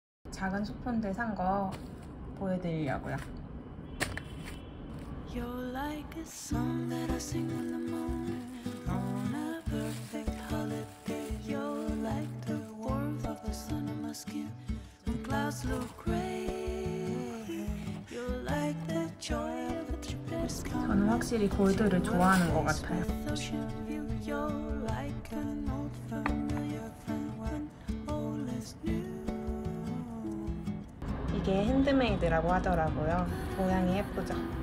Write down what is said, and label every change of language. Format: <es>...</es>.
<ko>작은 소품들 산 거 보여드리려고요.</ko> <en>You're like a song that I sing in the morning on a perfect holiday. You're like the warmth of the sun on my skin when clouds look gray. You're like the joy of the trip is coming.</en> <ko>저는 확실히 골드를 좋아하는 것 같아요.</ko> <en>You're like an old familiar friend when all is new.</en> <ko>이게 핸드메이드라고 하더라고요. 모양이 예쁘죠?</ko>